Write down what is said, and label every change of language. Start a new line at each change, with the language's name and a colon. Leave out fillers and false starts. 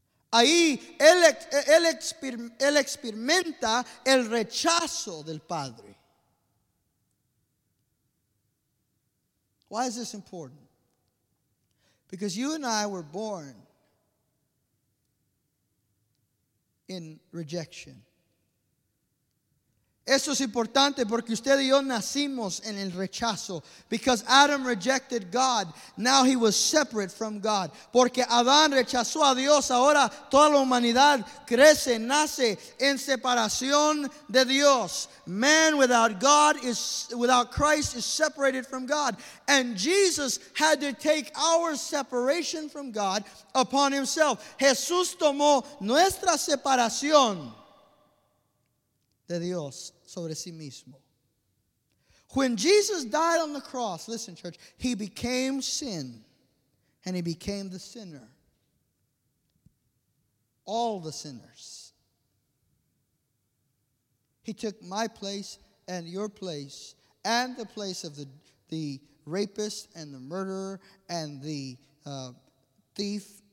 Spanish: Ahí él experimenta el rechazo del Padre.
English: Why is this important? Because you and I were born in rejection.
Spanish: Eso es importante porque usted y yo nacimos en el rechazo.
English: Because Adam rejected God, now he was separate from God.
Spanish: Porque Adán rechazó a Dios, ahora toda la humanidad crece, nace en separación de Dios.
English: Man without God is, without Christ is separated from God. And Jesus had to take our separation from God upon himself.
Spanish: Jesús tomó nuestra separación de Dios sobre sí mismo.
English: When Jesus died on the cross, listen, church, he became sin and he became the sinner. All the sinners. He took my place and your place and the place of the rapist and the murderer and the thief.